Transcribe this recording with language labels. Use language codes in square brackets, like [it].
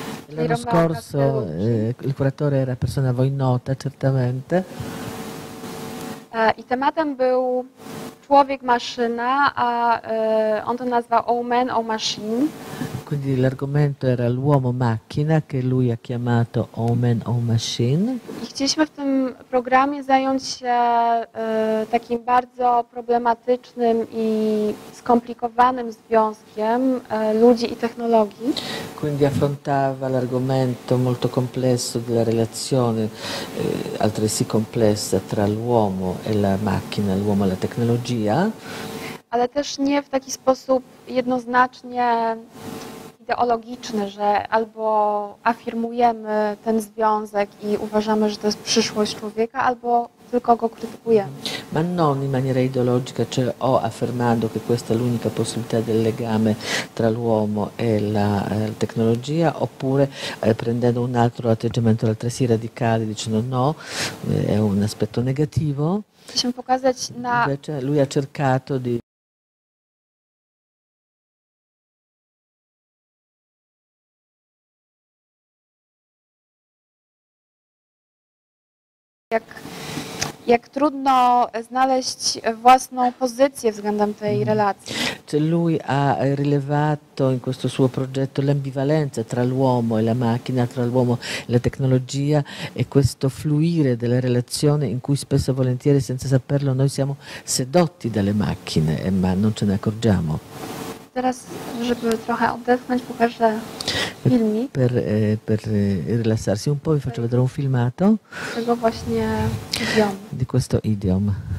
[it] L'anno scorso il curatore era persona voi nota, certamente. [pl] I tematem był człowiek maszyna, a on to nazwał O Man, O Machine. [it] Quindi l'argomento era l'uomo macchina, che lui ha chiamato O Man, O Machine. [pl] I chcieliśmy w tym programie zająć się takim bardzo problematycznym i skomplikowanym związkiem ludzi i technologii. [it] Quindi affrontava l'argomento molto complesso della relazione, altresì complessa, tra l'uomo e la macchina, l'uomo e la tecnologia. [pl] Ale też nie w taki sposób jednoznacznie ideologiczny, że albo afirmujemy ten związek i uważamy, że to jest przyszłość człowieka, albo tylko go krytykujemy. [it] Ma non in maniera ideologica, cioè o affermando che questa è l'unica possibilità del legame tra l'uomo e la tecnologia, oppure prendendo un altro atteggiamento altresì radicale, dicendo no, è un aspetto negativo. Possiamo [pl] pokazać na... [it] Invece lui ha cercato di... [pl] Jak trudno znaleźć własną pozycję względem tej relacji. [it] Cioè lui ha rilevato in questo suo progetto l'ambivalenza tra l'uomo e la macchina, tra l'uomo e la tecnologia, e questo fluire della relazione in cui spesso e volentieri, senza saperlo, noi siamo sedotti dalle macchine, ma non ce ne accorgiamo. [pl] Teraz, żeby trochę odetchnąć, pokażę filmik. [it] Per rilassarsi un po', vi faccio vedere un filmato. [pl] Tego właśnie idiom. [it] Di questo idiom.